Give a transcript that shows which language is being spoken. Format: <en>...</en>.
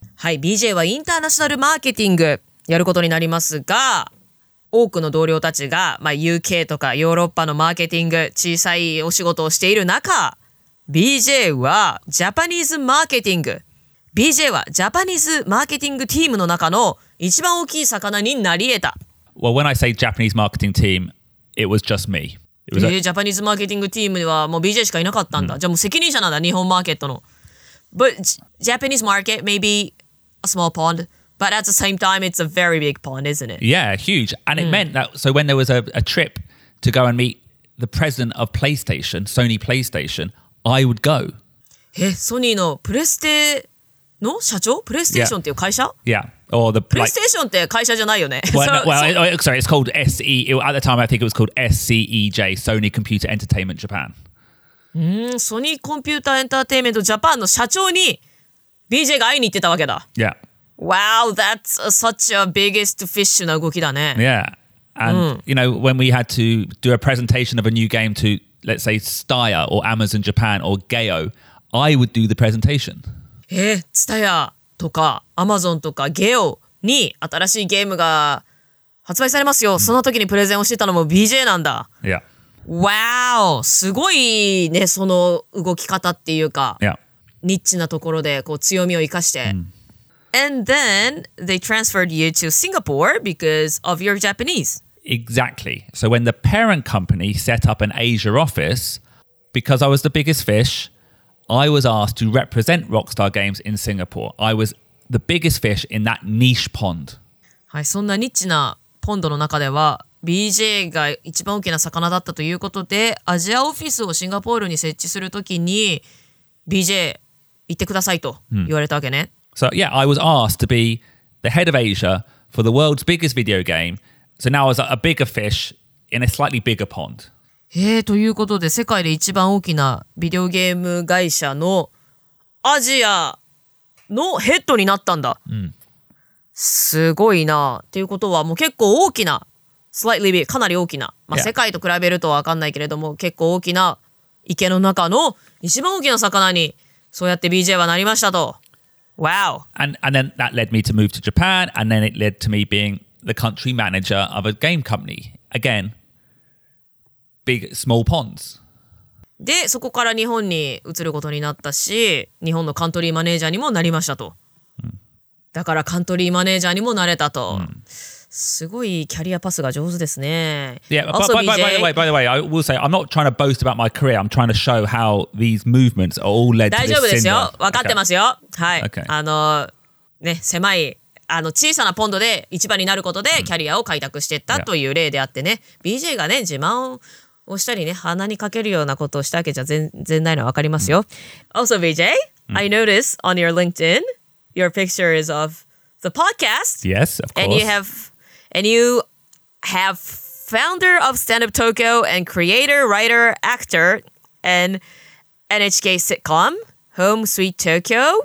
<ja>はい、BJ はインターナショナルマーケティングやることになりますが、多くの同僚たちが、まあ、UK とかヨーロッパのマーケティング、小さいお仕事をしている中、BJ はジャパニーズマーケティング。 BJ はジャパニーズマーケティングチームの中の一番大きい魚になり得た。</ja> <en>Well, when I say Japanese marketing team,It was just me. It was</en> <ja>a... Japanese marketing team はもう BJ しかいなかったんだ。じゃあもう責任者なんだ、日本マーケットの。</ja> <en>But Japanese market may be a small pond, but at the same time, it's a very big pond, isn't it? Yeah, huge. And it meant that, so when there was a trip to go and meet the president of PlayStation, Sony PlayStation, I would go.</en> <ja>え、ソニーのプレステの社長？プレイステーションっていう会社？</ja> <en>Yeah. yeah. Or the</en> <ja>PlayStation って会社じゃないよね。</ja> <en>Sorry, it's called SE. At the time, I think it was called SCEJ, Sony Computer Entertainment Japan.</en> <ja>Sony Computer Entertainment Japan の社長に BJ が会いに行ってたわけだ。</ja> <en>Yeah. Wow, that's such a biggest fish</en> <ja>な動きだね。</ja> <en>Yeah. And, you know, when we had to do a presentation of a new game to, let's say, Staya or Amazon Japan or Gayo, I would do the presentation. Staya.</en> <ja>とかアマゾンとかゲオに新しいゲームが発売されますよ。その時にプレゼンをしてたのも BJ なんだ。</ja> <en>Yeah. Wow!</en> <ja>すごいね、その動き方っていうか。</ja> <en>Yeah.</en> <ja>ニッチなところでこう強みを生かして。</ja> <en>And then they transferred you to Singapore because of your Japanese. Exactly. So when the parent company set up an Asia office, because I was the biggest fish,I was asked to represent Rockstar Games in Singapore. I was the biggest fish in that niche pond.</en> <ja>はい、そんなニッチなポンドの中では、BJ が一番大きな魚だったということで、アジアオフィスをシンガポールに設置するときに、BJ 行ってくださいと言われたわけね。</ja> <en>So yeah, I was asked to be the head of Asia for the world's biggest video game. So now I was a bigger fish in a slightly bigger pond.</en> <ja>ということで、世界で一番大きなビデオゲーム会社のアジアのヘッドになったんだ。すごいな。ということは、もう結構大きな、</ja> <en>slightly big、</en> <ja>かなり大きな。まあ、世界と比べるとは分かんないけれども、結構大きな池の中の一番大きな魚に、そうやって BJ はなりましたと。</ja> <en>Wow! And then that led me to move to Japan, and then it led to me being the country manager of a game company. Again, big small ponds.</en> <ja>で、そこから日本に移ることになったし、日本のカントリーマネージャーにもなりましたと。だからカントリーマネージャーにもなれたと。すごいキャリアパスが上手ですね。</ja> <en>Yeah, also, by, by, by, by, by the way, I will say, I'm not trying to boast about my career. I'm trying to show how these movements are all led to this syndrome.</en> <ja>大丈夫ですよ。わかってますよ。はい。Okay. ね、狭い、小さなポンドで一番になることでキャリアを開拓していったという例であってね。 BJ がね、自慢を押したりね、鼻にかけるようなことをしたわけじゃ全然ないのはわかりますよ。</ja> <en>Also, BJ, I noticed on your LinkedIn, your picture is of the podcast. Yes, of course. And you have founder of Stand Up Tokyo and creator, writer, actor in NHK sitcom Home Sweet Tokyo.</en>